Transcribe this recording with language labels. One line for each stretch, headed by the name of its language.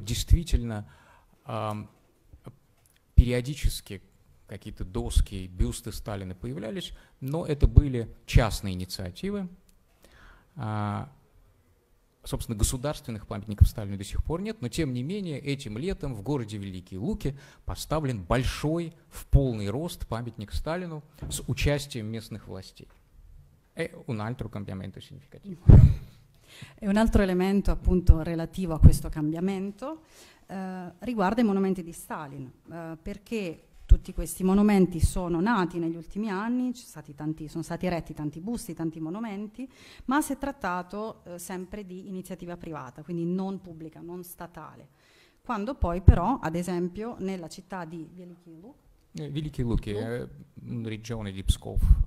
Russian: Действительно, периодически какие-то доски, бюсты Сталина появлялись, но это были частные инициативы. Собственно, государственных памятников Сталину до сих пор нет, но тем не менее этим летом в городе Великие Луки поставлен большой в полный рост памятник Сталину с участием местных властей.
Italian: Un altro cambiamento significativo. E un altro elemento appunto relativo a questo cambiamento riguarda i monumenti di Stalin, perché tutti questi monumenti sono nati negli ultimi anni, sono stati eretti tanti busti, tanti monumenti, ma si è trattato sempre di iniziativa privata, quindi non pubblica, non statale. Quando poi però, ad esempio, nella città di
Russian: Великие Луки, регионе Пскова,